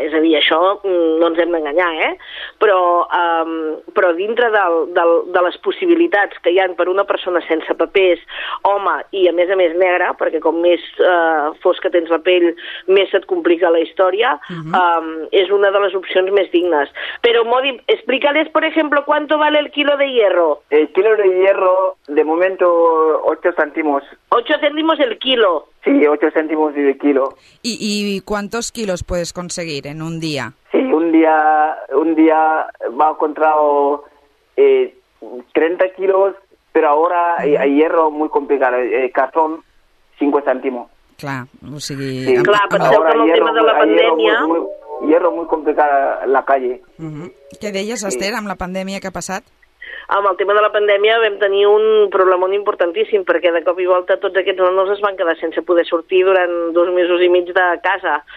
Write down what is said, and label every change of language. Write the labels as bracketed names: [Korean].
[Catalan] És a dir, això no ens hem d'enganyar, eh? Però dintre de les possibilitats que hi ha per una persona sense papers, home, i a més negra, perquè com més fosca tens la pell, més se't complica la història, és una de les opcions més dignes. [Spanish] Però, Modi, explícales, por ejemplo, ¿cuánto vale el kilo de hierro? El kilo de hierro, de momento, 8 céntimos. 8 céntimos. El kilo. Sí, 8 céntimos de kilo. ¿Y cuántos kilos puedes conseguir en un día? Sí, un día me he encontrado 30 kilos, pero ahora hay hierro muy complicado, cartón, 5 céntimos. [Catalan] Claro, o sigui, sí. Clar, penseu [Spanish] ahora que hierro, [Catalan] el tema de la pandemia... [Spanish] Hierro muy complicado en la calle. [Catalan] ¿Qué deies, Esther, sí. Amb la pandèmia que ha passat? Amb el tema de la pandèmia vam tenir un problema molt importantíssim, perquè de cop i volta tots aquests nanos es van quedar sense poder sortir durant 2 mesos i mig de casa.